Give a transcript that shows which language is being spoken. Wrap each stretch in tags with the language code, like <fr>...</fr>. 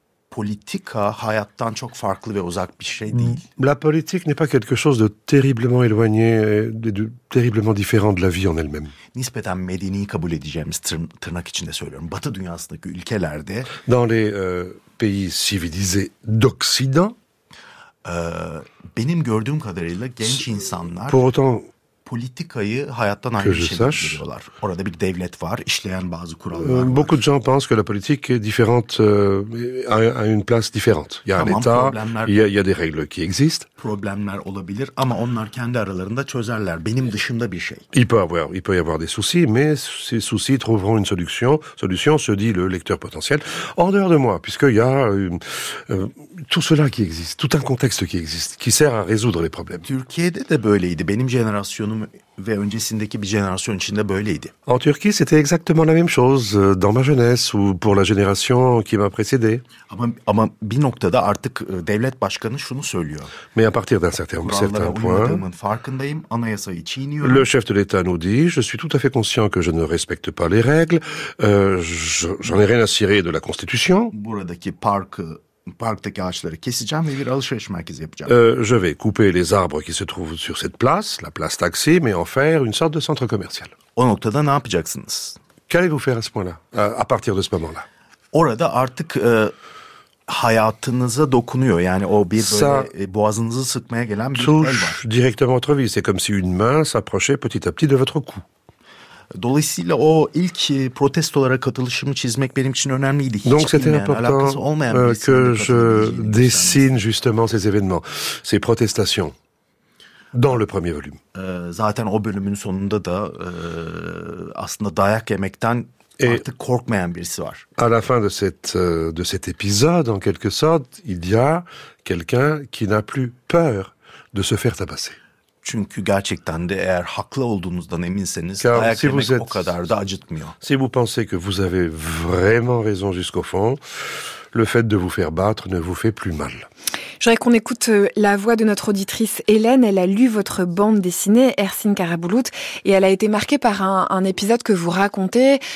<tr>Politika hayattan çok farklı ve uzak bir şey değil.</tr> <fr>La politique n'est pas quelque chose de terriblement éloigné, de terriblement différent de la vie en elle-même.</fr> <tr>Nispeten medeni kabul edeceğimiz tırnak içinde söylüyorum. Batı dünyasındaki ülkelerde...</tr> <fr>Dans les pays civilisés d'Occident...</fr> <tr>Benim gördüğüm kadarıyla genç insanlar...</tr> <fr>Pour autant...</fr> <tr>Politikayı hayattan ayrı bir şey görüyorlar. Orada bir devlet var, işleyen bazı kurallar var.</tr> <fr>Beaucoup de gens pensent que la politique est différente, a une place différente. Il y a un état, il y a des règles qui existent.</fr> <tr>Problemler olabilir ama onlar kendi aralarında çözerler. Benim dışımda bir şey.</tr> <fr>Il peut y avoir des soucis, mais ces soucis trouveront une solution. Solution, se dit le lecteur potentiel, en dehors de moi, puisqu'il y a tout cela qui existe, tout un contexte qui existe, qui sert à résoudre les problèmes.</fr> <tr>Türkiye'de de böyleydi. Benim jenerasyonum ve öncesindeki bir jenerasyon içinde böyleydi.</tr> <fr>En Turquie, c'était exactement la même chose dans ma jeunesse ou pour la génération qui m'a précédé.</fr> <tr>Ama bir noktada artık devlet başkanı şunu söylüyor.</tr> <fr>Mais à partir d'un certain point,</fr> <tr>farkındayım, anayasayı çiğniyorum.</tr> <fr>Le chef de l'État nous dit, je suis tout à fait conscient que je ne respecte pas les règles, j'en ai rien à cirer de la Constitution.</fr> <tr>Buradaki parktaki ağaçları keseceğim ve bir alışveriş merkezi yapacağım.</tr> <fr>Je vais couper les arbres qui se trouvent sur cette place, la place Taksi, mais en faire une sorte de centre commercial.</fr> <tr>O noktada ne yapacaksınız?</tr> <fr>Qu'allez-vous faire à ce moment-là, à partir de ce moment-là?</fr> <tr>Orada artık hayatınıza dokunuyor. Yani o bir böyle boğazınızı sıkmaya gelen bir el var.</tr> <fr>Touche directement votre vie. C'est comme si une main s'approchait petit à petit de votre cou.</fr> <tr>Dolayısıyla o ilk protestolara katılışımı çizmek benim için önemliydi. Hiç</tr> <fr>donc c'était important que je dessine justement ces événements, ces protestations dans le premier volume.</fr> <tr>Zaten o bölümün sonunda da aslında dayak yemekten et artık korkmayan birisi var.</tr> <fr>À la fin de cet épisode, en quelque sorte, il y a quelqu'un qui n'a plus peur de se faire tabasser.</fr> <tr>Çünkü gerçekten de eğer haklı olduğunuzdan eminseniz dayak yemek o kadar da acıtmıyor.</tr> <fr>Si vous pensez que vous avez vraiment raison jusqu'au fond, le fait de vous faire battre ne vous fait plus mal. J'aimerais qu'on écoute la voix de notre auditrice Hélène. Elle a lu votre bande dessinée, Ersin Karabulut, et elle a été marquée par un épisode que vous racontez.</fr>